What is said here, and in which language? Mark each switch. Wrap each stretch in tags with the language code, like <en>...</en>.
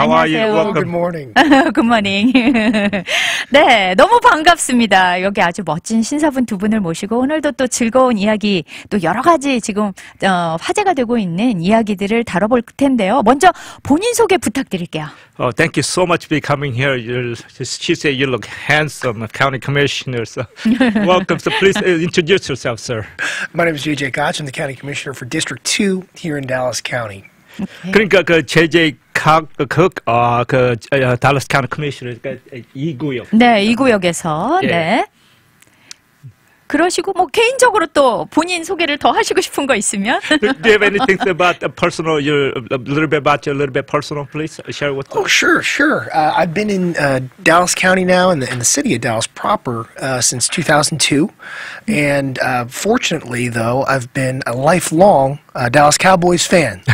<ko>안녕하세요.</ko> <en>are you? Welcome. Good morning. Good morning.</en> <ko>네, 너무 반갑습니다. 여기 아주 멋진 신사분 두 분을 모시고 오늘도 또 즐거운 이야기, 또 여러 가지 지금 화제가 되고 있는 이야기들을 다뤄볼 텐데요. 먼저 본인 소개 부탁드릴게요.</ko> <en>Oh, thank you so much for coming here. She said you look handsome, county commissioner. So welcome. So please introduce yourself, sir. My name is JJ Koch. I'm the county commissioner for District 2 here in Dallas County.</en> <ko>Okay. 그러니까 그 JJ Cook, 그 Dallas County Commissioner 이 구역. 네, 이 구역에서. 네. 네. 그러시고 뭐 개인적으로 또 본인 소개를 더 하시고 싶은 거 있으면.</ko> <en>Do you have anything about personal? A little bit personal, please share with us. Oh, sure. I've been in Dallas County now in the city of Dallas proper since 2002, and fortunately though I've been a lifelong Dallas Cowboys fan.</en>